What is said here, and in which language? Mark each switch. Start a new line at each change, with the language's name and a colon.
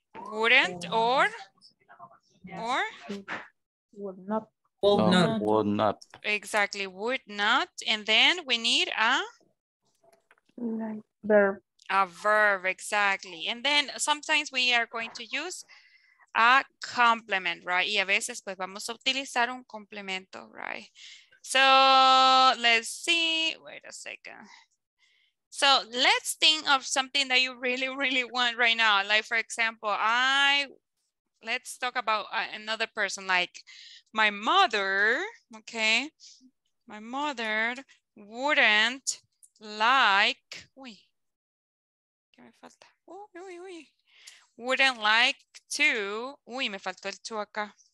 English: Wouldn't or? Yes. Or? Would not. Would not. Exactly. Would not. And then we need a verb. A verb, exactly. And then sometimes we are going to use a complement, right?
Spanish: Y a veces pues vamos a utilizar un complemento, right?
English: So let's see. Wait a second. So let's think of something that you really, really want right now. Like, for example, let's talk about another person, like my mother, okay? My mother wouldn't like, wouldn't like to,
Spanish: me faltó el to acá.